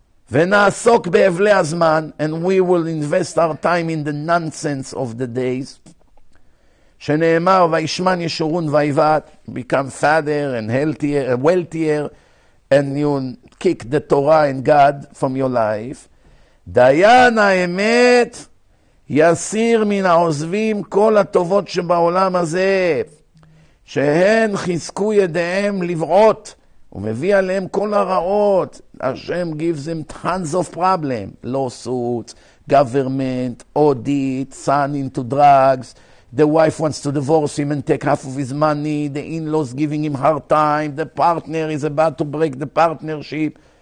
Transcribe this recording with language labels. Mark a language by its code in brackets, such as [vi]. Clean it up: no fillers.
[he] Ve'na'asok be'evle hazman, [en] and we will invest our time in the nonsense of the days. [he] She'ne'emar v'ayishman yeshurun v'ayivat, [en] become fatter and healthier, wealthier, and you kick the Torah and God from your life. [he] Dayan ha'emet יסיר מן העוזבים כל הטובות שבעולם הזה, שהן חזקו ידיהם לברות, ומביא עליהם כל הרעות. [en] השם gives them tons of problems. Lawsuits, government, audit, son into drugs, the wife wants to divorce him and take half of his money, the in-laws giving him hard time, the partner is about to break the partnership.